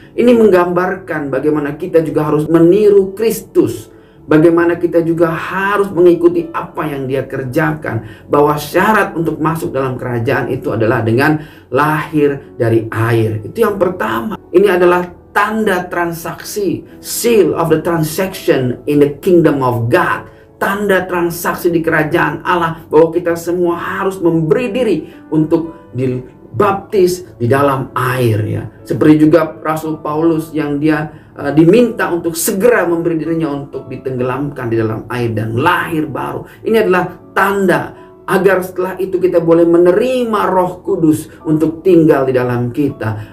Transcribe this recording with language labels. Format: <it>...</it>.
<id>Ini menggambarkan bagaimana kita juga harus meniru Kristus. Bagaimana kita juga harus mengikuti apa yang dia kerjakan. Bahwa syarat untuk masuk dalam kerajaan itu adalah dengan lahir dari air. Itu yang pertama. Ini adalah tanda transaksi.</id> <en>Seal of the transaction in the kingdom of God.</en> <id>Tanda transaksi di kerajaan Allah. Bahwa kita semua harus memberi diri untuk dibaptis di dalam air, ya. Seperti juga Rasul Paulus yang dia diminta untuk segera memberi dirinya untuk ditenggelamkan di dalam air dan lahir baru. Ini adalah tanda agar setelah itu kita boleh menerima Roh Kudus untuk tinggal di dalam kita.</id>